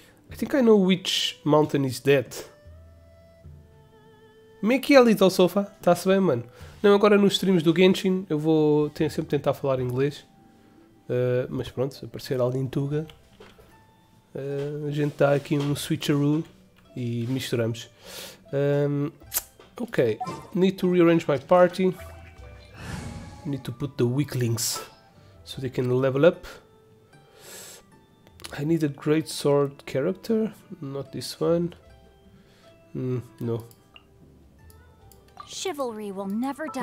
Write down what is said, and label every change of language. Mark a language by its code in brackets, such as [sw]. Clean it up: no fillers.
[en] I think I know which mountain is that. [pt] Como é que é, Little Sofa? Está-se bem, mano? Não, agora nos streams do Genshin eu vou sempre tentar falar inglês. Mas pronto, se aparecer alguém tuga, a gente dá aqui um switcheroo e misturamos. [en] Ok, need to rearrange my party. Need to put the weaklings so they can level up. I need a great sword character, not this one. No. Chivalry will never die.